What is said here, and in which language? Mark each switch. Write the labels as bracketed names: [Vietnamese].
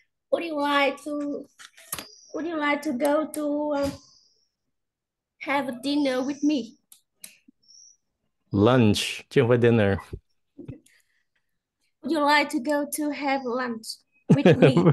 [English] Would you like to go to have a dinner with me? [Vietnamese] Lunch, chứ không phải dinner. [English] Would you like to go to have lunch with me?